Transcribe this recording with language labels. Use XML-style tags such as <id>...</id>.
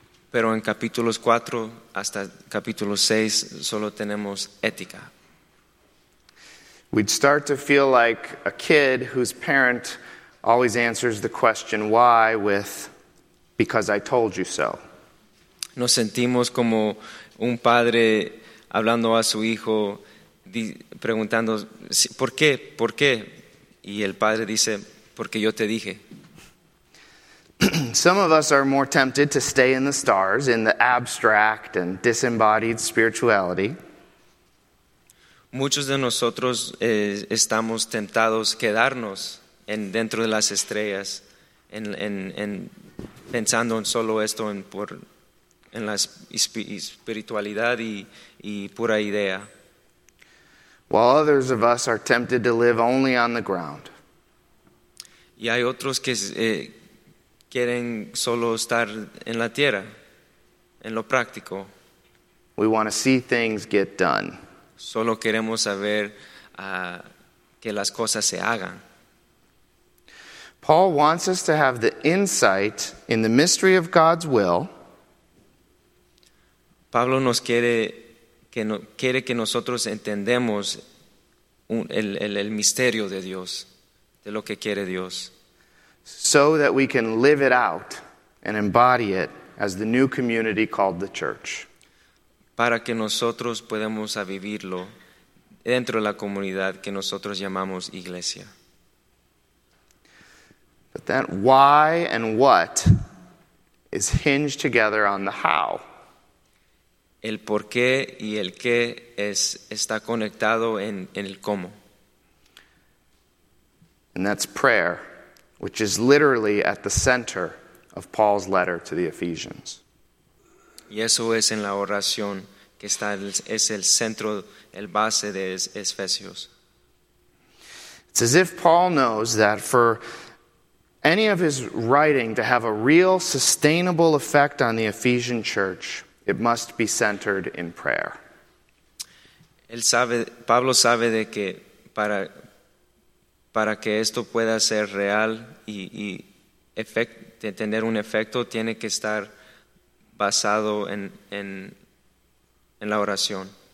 <es>Pero en capítulos 4 hasta capítulo 6 solo tenemos ética.</es> <en>We'd start to feel like a kid whose parent always answers the question why with because I told you so.</en> <es>Nos sentimos como un padre hablando a su hijo preguntando ¿por qué? ¿Por qué? Y el padre dice porque yo te dije.</es> <en>Some of us are more tempted to stay in the stars, in the abstract and disembodied spirituality.</en> <es>Muchos de nosotros estamos tentados quedarnos dentro de las estrellas, en pensando en solo esto, en la espiritualidad y pura idea.</es> <en>While others of us are tempted to live only on the ground.</en> <es>Y hay otros que quieren solo estar en la tierra, en lo práctico.</es> <en>We want to see things get done.</en> <es>Solo queremos saber que las cosas se hagan.</es> <en>Paul wants us to have the insight in the mystery of God's will.</en> <es>Pablo nos quiere que nosotros entendemos el misterio de Dios, de lo que quiere Dios.</es> <en>So that we can live it out and embody it as the new community called the church.</en> <es>Para que nosotros podamos vivirlo dentro de la comunidad que nosotros llamamos iglesia.</es> <en>But that why and what is hinged together on the how.</en> <es>El por qué y el qué está conectado en el cómo.</es> <en>And that's prayer. Which is literally at the center of Paul's letter to the Ephesians.</en> <es>Y eso es en la oración que está es el centro, el base de Efesios.</es> <en>It's as if Paul knows that for any of his writing to have a real sustainable effect on the Ephesian church, it must be centered in prayer.</en> <es>Pablo sabe de que para que esto pueda ser real y tener un efecto, tiene que estar basado en la oración.</es>